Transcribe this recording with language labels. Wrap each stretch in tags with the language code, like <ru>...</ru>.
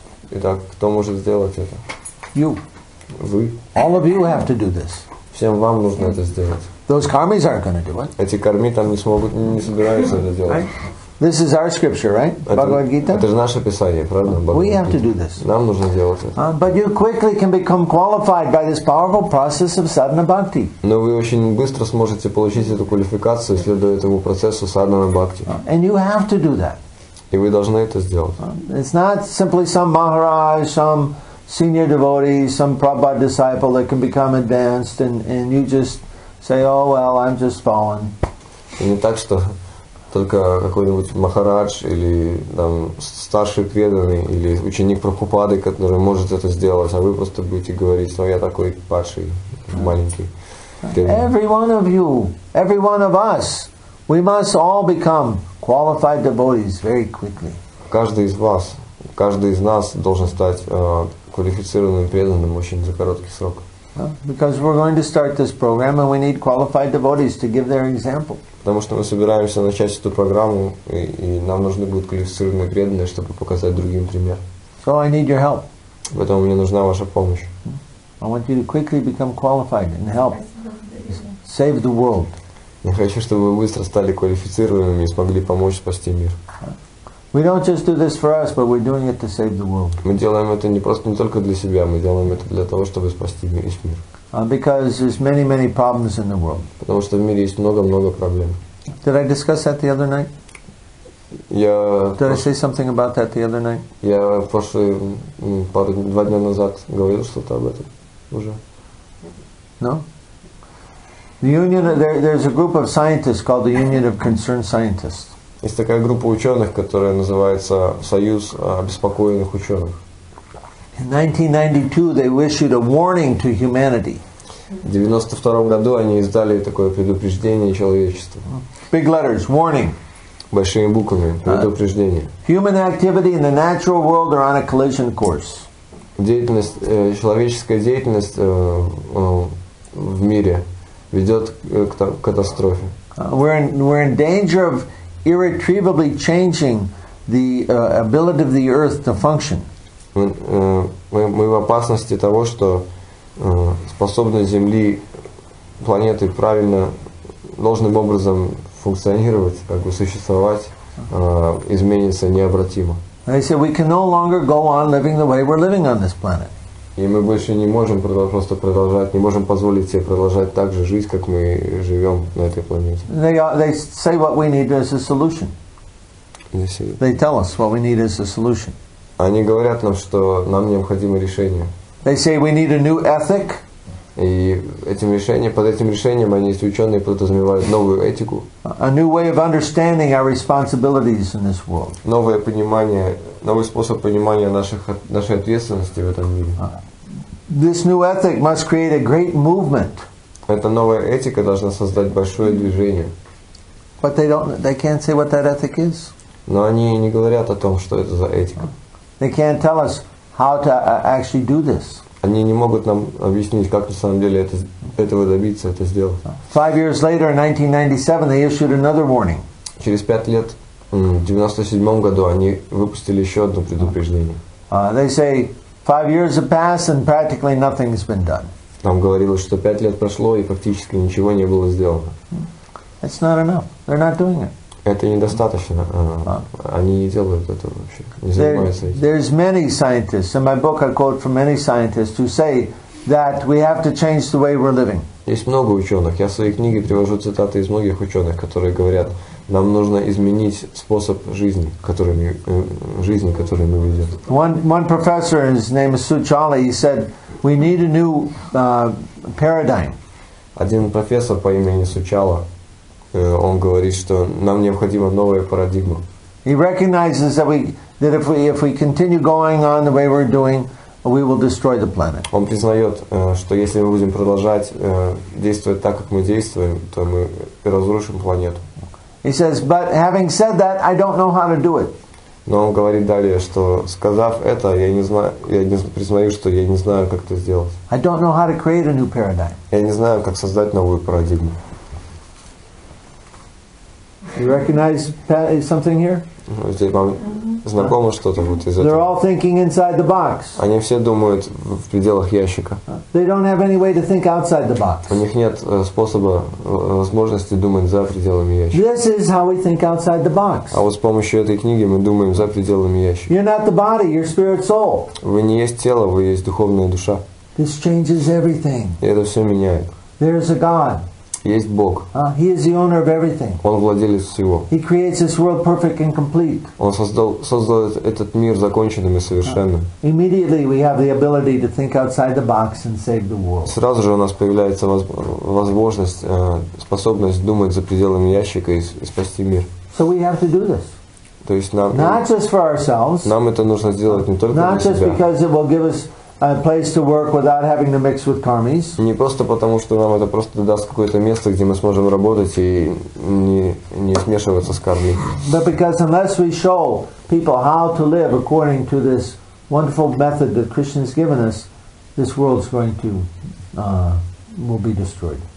<ru>Итак, кто может сделать это?</ru> <en>You.</en> <ru>Вы.</ru> <en>All of you have to do this.</en> <ru>Всем вам нужно это сделать.</ru> <en>Those karmis aren't going to do it.</en> <ru>Эти карми там не смогут, не собираются это делать.</ru> <en>This is our scripture, right? Bhagavad Gita.</en> <ru>Это же наше писание, правда?</ru> <en>We have to do this.</en> <ru>Нам нужно делать это.</ru> <en>But you quickly can become qualified by this powerful process of sadhana bhakti.</en> <ru>Но вы очень быстро сможете получить эту квалификацию, следуя этому процессу sadhana bhakti.</ru> <en>And you have to do that.</en> <ru>И вы должны это сделать.</ru> <en>It's not simply some maharaj, some senior devotee, some Prabhupada disciple that can become advanced, and you just say, oh well, I'm just fallen.</en> <ru>И не так, что только какой-нибудь махарадж или там старший преданный или ученик Прабхупады, который может это сделать, а вы просто будете говорить, что я такой падший, маленький. Преданный.</ru> <en>Every one of you, every one of us, we must all become qualified devotees very quickly.</en> <ru>Каждый из вас, каждый из нас должен стать квалифицированным преданным очень за короткий срок.</ru> <en>Because we're going to start this program and we need qualified devotees to give their example.</en> <ru>Потому что мы собираемся начать эту программу и нам нужны будут квалифицированные преданные, чтобы показать другим пример.</ru> <en>So I need your help.</en> <ru>Поэтому мне нужна ваша помощь.</ru> <en>I want you to quickly become qualified and help save the world.</en> <ru>Я хочу, чтобы вы быстро стали квалифицированными и смогли помочь спасти мир.</ru> <en>We don't just do this for us, but we're doing it to save the world.</en> <ru>Мы делаем это не просто не только для себя, мы делаем это для того, чтобы спасти весь мир.</ru> <en>Because there's many, many problems in the world.</en> <ru>Потому что в мире есть много-много проблем.</ru> <en>Did I discuss that the other night? Did I say something about that the other night?</en> <ru>Я два дня назад говорил что-то об этом уже.</ru> <en>No. The union there's a group of scientists called the Union of Concerned Scientists.</en> <ru>Есть такая группа ученых, которая называется Союз обеспокоенных ученых.</ru> <en>In 1992 they issued a warning to humanity.</en> <ru>В 92 году они издали такое предупреждение человечеству.</ru> <en>Big letters, warning.</en> <ru>Большими буквами предупреждение.</ru> <en>Human activity in the natural world are on a collision course.</en> <ru>Деятельность человеческая деятельность в мире ведет к катастрофе.</ru> <en>We're in danger of irretrievably changing the ability of the earth to function.</en> <ru>Мы в опасности того, что способность Земли, планеты правильно, должным образом функционировать, как бы существовать, изменится необратимо.</ru> <en>They said we can no longer go on living the way we're living on this planet.</en> <ru>И мы больше не можем просто продолжать, не можем позволить себе продолжать так же жить, как мы живем на этой планете.</ru> <en>They say what we need as a solution. They tell us what we need as a solution.</en> <ru>Они говорят нам, что нам необходимо решение.</ru> <en>They say we need a new ethic.</en> <ru>И под этим решением они, эти ученые, подразумевают новую этику.</ru> <en>A new way of understanding our responsibilities in this world.</en> <ru>Новое понимание, новый способ понимания нашей ответственности в этом мире.</ru> <en>This new ethic must create a great movement.</en> <ru>Эта новая этика должна создать большое движение.</ru> <en>But they can't say what that ethic is.</en> <ru>Но они не говорят о том, что это за этика.</ru> <en>They can't tell us how to actually do this.</en> <ru>Они не могут нам объяснить, как на самом деле этого добиться, это сделать.</ru> <en>5 years later, in 1997, they issued another warning.</en> <ru>Через 5 лет, в 97 году, они выпустили еще одно предупреждение.</ru> <en>They say 5 years have passed and practically nothing has been done.</en> <ru>Там говорилось, что 5 лет прошло и фактически ничего не было сделано.</ru> <en>It's not enough. They're not doing it.</en> <ru>Это недостаточно. Они не делают этого вообще. Не занимаются этим.</ru> <en>There's many scientists. In my book, I quote from many scientists who say that we have to change the way we're living.</en> <ru>Есть много ученых. Я в своей книге привожу цитаты из многих ученых, которые говорят, нам нужно изменить способ жизни, который мы ведем.</ru> <en>One professor, his name is Sue Jolly, he said, we need a new paradigm.</en> <ru>Один профессор по имени Сучала, он говорит, что нам необходима новая парадигма.</ru> <en>He recognizes that if we continue going on the way we're doing, we will destroy the planet.</en> <ru>Он признает, что если мы будем продолжать действовать так, как мы действуем, то мы разрушим планету.</ru> <en>He says, but having said that, I don't know how to do it.</en> <ru>Но он говорит далее, что сказав это, я признаю, что я не знаю, как это сделать.</ru> <en>I don't know how to create a new paradigm.</en> <ru>Я не знаю, как создать новую парадигму.</ru> <en>You recognize something here?</en> <ru>Здесь вам знакомо что-то вот из этого?</ru> <en>They're all thinking inside the box.</en> <ru>Они все думают в пределах ящика.</ru> <en>They don't have any way to think outside the box.</en> <ru>У них нет способа, возможности думать за пределами ящика.</ru> <en>This is how we think outside the box.</en> <ru>А вот с помощью этой книги мы думаем за пределами ящика.</ru> <en>You're not the body, you're spirit soul.</en> <ru>Вы не есть тело, вы есть духовная душа.</ru> <en>This changes everything.</en> <ru>И это все меняет.</ru> <en>There's a God.</en> <ru>Есть Бог.</ru> <en>He is the owner of everything.</en> <ru>Он владелец всего.</ru> <en>He creates this world perfect and complete.</en> <ru>Он создал этот мир законченным и совершенным.</ru> <en>Immediately we have the ability to think outside the box and save the world.</en> <ru>Сразу же у нас появляется возможность, способность думать за пределами ящика и спасти мир.</ru> <en>So we have to do this.</en> <ru>То есть нам.</ru> <en>Not just for ourselves.</en> <ru>Нам это нужно сделать не только для себя.</ru> <en>Not just because it will give us a place to work without having to mix with karmis.</en> <ru>Не просто потому, что нам это просто даст какое-то место, где мы сможем работать и не смешиваться с кармой.</ru> <en>But because unless we show people how to live according to this wonderful method that Krishna has given us, this world's going to will be destroyed.</en>